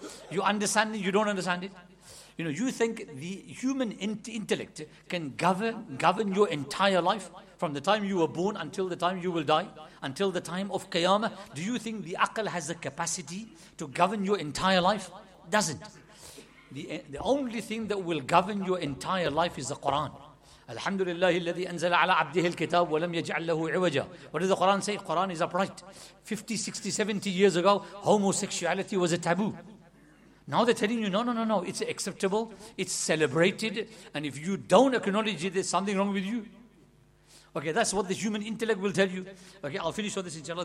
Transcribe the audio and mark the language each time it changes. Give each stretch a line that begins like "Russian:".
English: You understand it, you don't understand it. You know, you think the human intellect can govern your entire life from the time you were born until the time you will die, until the time of Qiyamah? Do you think the aql has the capacity to govern your entire life? Doesn't. The only thing that will govern your entire life is the Quran.
Arabic: Alhamdulillah, الذي أنزل على عبده الكتاب ولم يجعل له عوجا.
English: What does the Quran say? Quran is upright. 50, 60, 70 years ago, homosexuality was a taboo. Now they're telling you, no, it's acceptable, it's celebrated, and if you don't acknowledge it, there's something wrong with you. Okay, that's what the human intellect will tell you. Okay, I'll finish on this inshallah.